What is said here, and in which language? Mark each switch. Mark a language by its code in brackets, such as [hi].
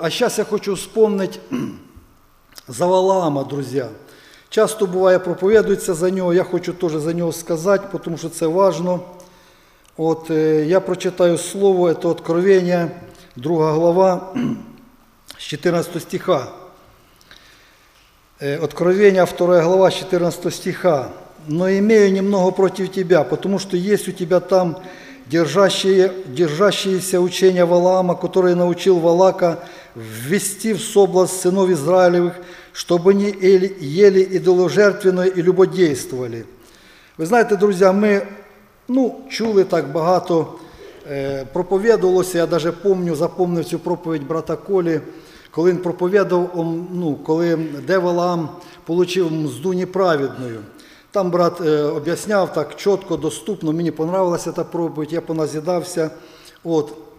[uk] А зараз я хочу вспомнити за Валаама, друзі. Часто буває, проповідується за нього, я хочу теж за нього сказати, тому що це важливо. От, я прочитаю слово, це Откровення, 2 глава, 14 стиха. [ru] Откровение, 2 глава, 14 стиха. «Но имею немного против тебя, потому что есть у тебя там держащиеся учения Валаама, который научил Валака ввести в соблазн сынов Израилевых, чтобы они ели идоложертвенно и любодействовали». Вы знаете, друзья, [uk] мы, ну, чули так багато, проповедовалося, я даже помню, запомнив цю проповідь брата Колі, коли він проповідував, ну, коли де Валаам получив мзду неправедною. Там брат об'ясняв так чітко, доступно, мені понравилася та проповідь, я поназідався. От.